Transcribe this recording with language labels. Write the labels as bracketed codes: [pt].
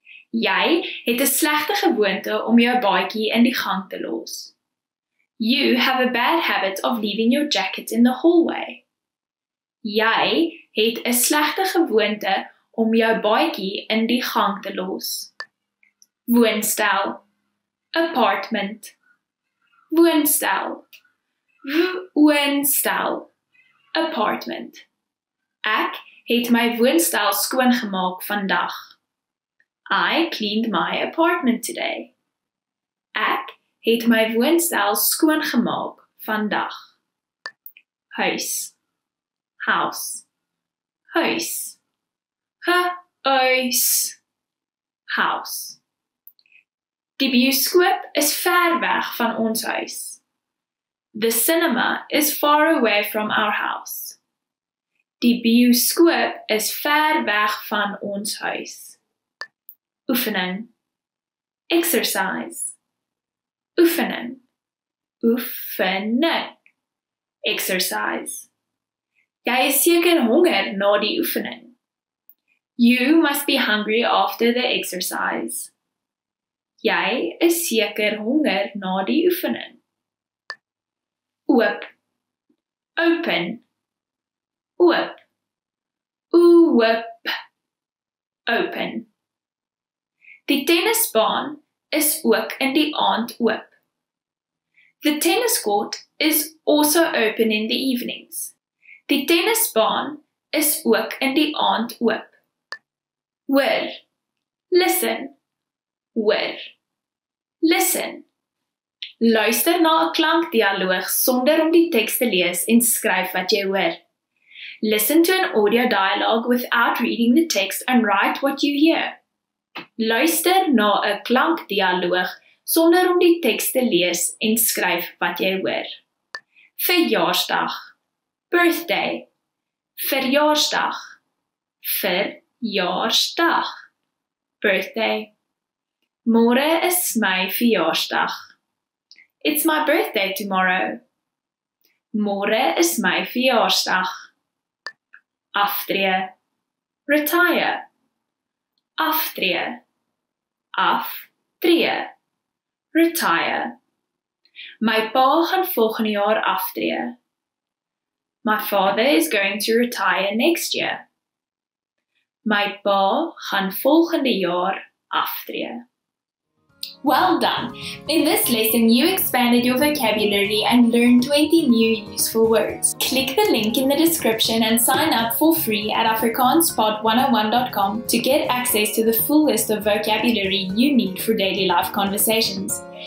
[af] Jy het 'n slegte gewoonte om jou baadjie in die gang te los. [en] You have a bad habit of leaving your jacket in the hallway. [af] Jy het 'n slegte gewoonte om jou baadjie in die gang te los. Woonstel. [en] Apartment. [af] Woonstel. Woonstel. [en] Apartment. [af] Ek het my woonstel skoongemaak vandag. [en] I cleaned my apartment today. [af] Ek het my woonstel skoongemaak vandag. Huis. [en] House. [af] Huis. Huis. [en] House. [af] Die bioskoop is ver weg van ons huis. [en] The cinema is far away from our house. [af] Die bioskoop is ver weg van ons huis. Oefening. [en] Exercise. [af] Oefening. Oefening. [en] Exercise. [af] Jy is seker honger na die oefening. [en] You must be hungry after the exercise. [af] Jy is seker honger na die oefening. Oop. [en] Open. [af] Oop. Oop. [en] Open. [af] Die tennisbaan is ook in die aand oop. [en] The tennis court is also open in the evenings. [af] Die tennisbaan is ook in die aand oop. Hoor. [en] Listen. [af] Hoor. [en] Listen. [af] Luister na 'n klankdialoog sonder om die teks te lees en skryf wat jy hoor. [en] Listen to an audio dialogue without reading the text and write what you hear. [af] Luister na 'n klankdialoog sonder om die teks te lees en skryf wat jy hoor. Verjaarsdag. [en] Birthday. [af] Verjaarsdag. Verjaarsdag. [en] Birthday. [af] Môre is my verjaarsdag. [en] It's my birthday tomorrow. [af] Môre is my verjaarsdag. Aftree. [en] Retire. [af] Aftree. Aftree. [en] Retire. [af] My pa gaan volgende jaar aftree. [en] My father is going to retire next year. [af] My pa gaan volgende jaar aftree. [en] Well done! In this lesson, you expanded your vocabulary and learned 20 new useful words. Click the link in the description and sign up for free at AfrikaansPod101.com to get access to the full list of vocabulary you need for daily life conversations.